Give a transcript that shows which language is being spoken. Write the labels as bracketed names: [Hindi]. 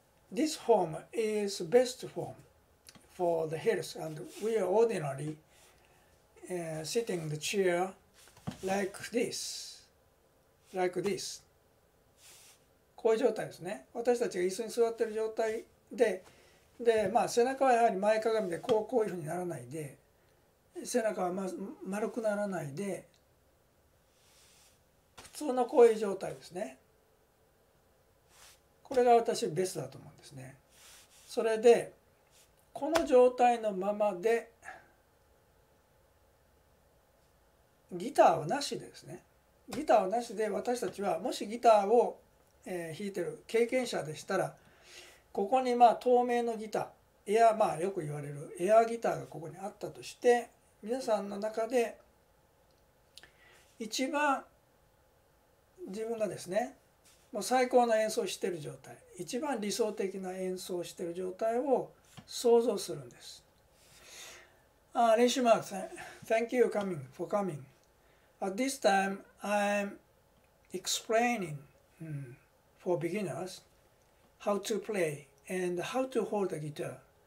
[English] This form is best form for the health, and we are ordinary sitting the chair like this. [Japanese] こういう状態ですね。私たちが椅子に座ってる状態で、で、まあ、背中はやはり前かがみでこういうふうにならないで、背中は丸くならないで、普通のこういう状態ですね。これが私ベストだと思うんですね。それでこの状態のままでギターはなしでですね、ギターはなしで私たちはもしギターを弾いてる経験者でしたら、ここにまあ透明のギター、エア、まあよく言われるエアギターがここにあったとして、皆さんの中で一番自分がですね、もう最高の演奏してる状態、一番理想的な演奏してる状態を想像するんです。 [English] レシュマーク、 Thank you for coming. At this time I'm explaining、for beginners, how to play and how to hold a guitar.